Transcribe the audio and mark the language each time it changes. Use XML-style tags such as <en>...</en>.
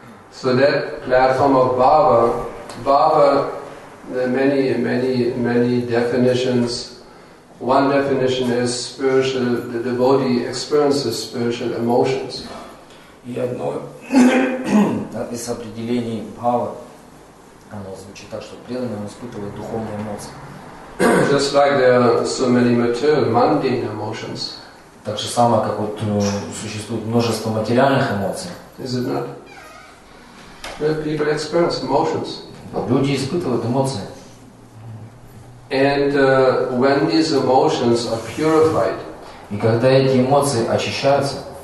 <en>So that platform of Baba, there are many definitions. One definition is spiritual, the devotee experiences spiritual emotions.</en> <ru>И одно из определений Бхавы, оно звучит так, что преданный он испытывает духовные эмоции.</ru> <en>Just like there are so many material, mundane emotions.</en> <ru>Так же самое, как вот существует множество материальных эмоций.</ru> <en>Is it not? People experience emotions.</en> <ru>Люди испытывают эмоции.</ru> <en>And when these emotions are purified,</en> <ru>и когда эти эмоции очищаются,</ru>